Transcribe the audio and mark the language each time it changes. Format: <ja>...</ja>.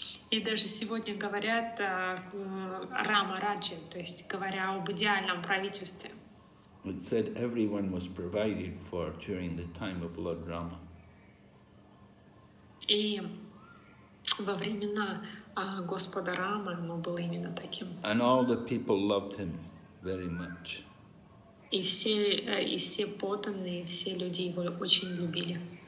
<ru>И даже сегодня говорят Рама Раджи, то есть говоря об идеальном правительстве.</ru> <en>It said everyone was provided for during the time of Lord Rama.</en> <ru>И во времена Господа Рамы он был именно таким.</ru> <en>And all the people loved him very much.</en> <ru>И все подданные, все люди его очень любили.</ru>